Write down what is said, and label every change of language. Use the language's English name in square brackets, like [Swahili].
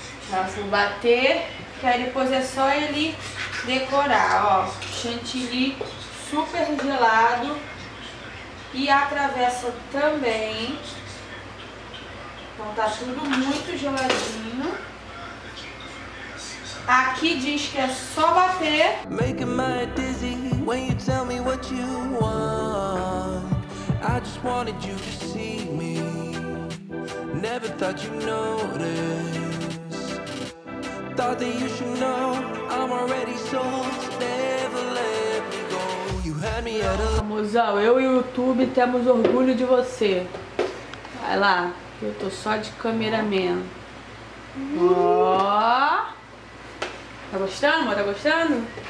[Portuguese] Já vou bater, que aí depois é só ele decorar, ó. Chantilly super gelado e a travessa também. Então tá tudo muito geladinho. Aqui diz que é só bater. [English] Making my dizzy when you tell me what you want. I just wanted you to see me. Never thought you'd notice. Thought that you should know I'm already sold. Never let me go. You had me at a... [Portuguese] Mozão, eu e o YouTube temos orgulho de você. Vai lá. Eu tô só de cameraman. Ó. Tá gostando, amor? Tá gostando?